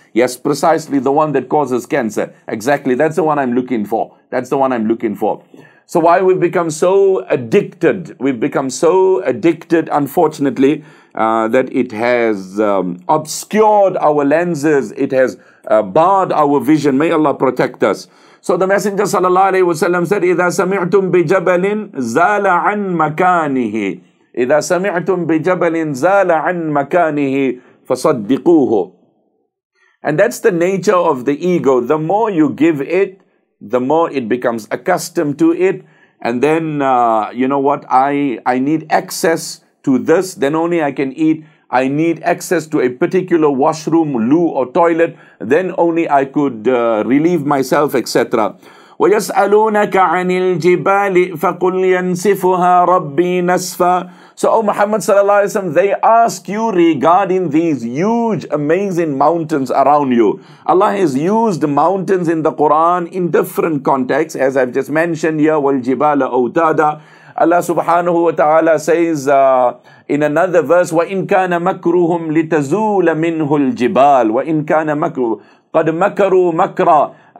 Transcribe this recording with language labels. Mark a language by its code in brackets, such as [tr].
[en] Yes, precisely the one that causes cancer. Exactly, that's the one I'm looking for. That's the one I'm looking for. So why we've become so addicted? We've become so addicted, unfortunately, that it has obscured our lenses. It has barred our vision. May Allah protect us. So the Messenger sallallahu alayhi wa sallam said, [ar] إِذَا سَمِعْتُمْ بِجَبَلٍ زَالَ عَنْ مَكَانِهِ إِذَا سَمِعْتُمْ بِجَبَلٍ زَالَ عَنْ مَكَانِهِ فَصَدِّقُوهُ. [en] And that's the nature of the ego. The more you give it, the more it becomes accustomed to it. And then, you know what, I need access to this, then only I can eat. I need access to a particular washroom, loo or toilet, then only I could relieve myself, etc. [ar] وَيَسْأَلُونَكَ عَنِ الْجِبَالِ فَقُلْ يَنْسِفُهَا رَبِّي نَسْفًا. [en] So, O Muhammad sallallahu alayhi wa sallam, they ask you regarding these huge, amazing mountains around you. Allah has used mountains in the Quran in different contexts, as I've just mentioned here, [ar] وَالْجِبَالَ أَوْتَادًا. [en] Allah subhanahu wa ta'ala says in another verse, [ar] وَإِنْ كَانَ مَكْرُهُمْ لِتَزُولَ مِنْهُ الْجِبَالِ وَإِنْ كَانَ مَكْرُهُمْ قَدْ مَكَرُوا مَكْرًا.